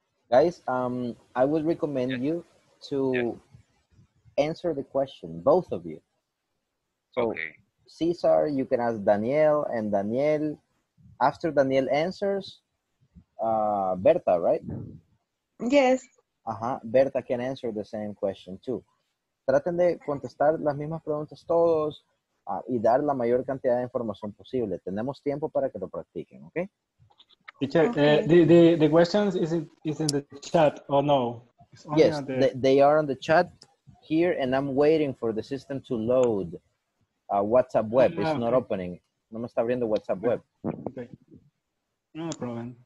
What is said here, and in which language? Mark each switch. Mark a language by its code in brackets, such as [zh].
[en] Guys, I would recommend you to answer the question, both of you. So, okay. Cesar, you can ask Daniel, and Daniel, after Daniel answers, Berta, right? Yes. Berta can answer the same question too. [es] Traten de contestar las mismas preguntas todos y dar la mayor cantidad de información posible. Tenemos tiempo para que lo practiquen, ¿ok? [en] Teacher, the questions is in the chat or no? Yes, they are on the chat here, and I'm waiting for the system to load WhatsApp web. It's not opening. [es] No me está abriendo WhatsApp web. [en] Okay. No problem.